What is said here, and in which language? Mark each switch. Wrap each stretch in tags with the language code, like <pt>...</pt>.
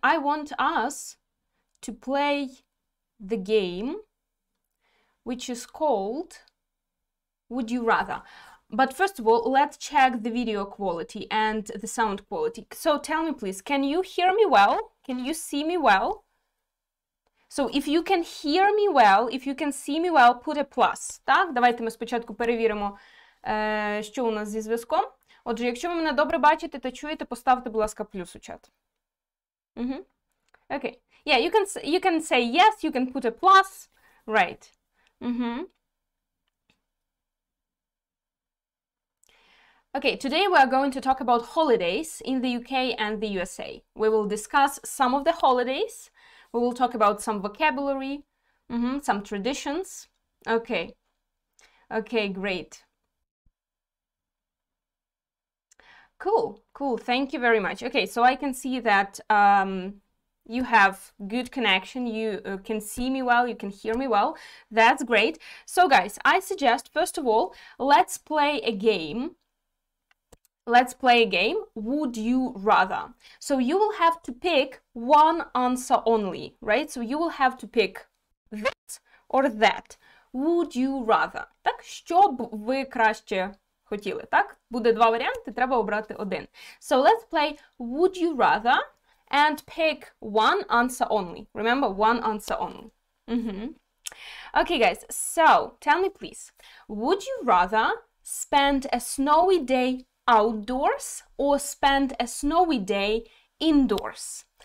<en>I want us to play the game, which is called Would You Rather? But first of all, let's check the video quality and the sound quality. So tell me, please, can you hear me well? Can you see me well? So if you can hear me well, if you can see me well, put a plus.</en> <uk>Так, давайте ми спочатку перевіримо, що у нас зі зв'язком. Отже, якщо ви мене добре бачите та чуєте, поставте, будь ласка, плюс у чат.</uk> <en>Mm-hmm. Okay. Yeah, you can say yes, you can put a plus. Right. Mm-hmm. Okay, today we are going to talk about holidays in the UK and the USA. We will discuss some of the holidays. We will talk about some vocabulary, mm-hmm, some traditions. Okay. Okay, great. Cool, cool. Thank you very much. Okay, so I can see that you have good connection. You can see me well. You can hear me well. That's great. So guys, I suggest, first of all, let's play a game. Let's play a game, would you rather? So you will have to pick one answer only, right? So you will have to pick that or that. Would you rather?</en> <uk>Так, що б ви краще хотіли, так? Буде два варіанти, треба обрати один.</uk> <en>So let's play would you rather and pick one answer only. Remember, one answer only. Mm-hmm. Okay, guys, so tell me please, would you rather spend a snowy day outdoors or spend a snowy day indoors?</en>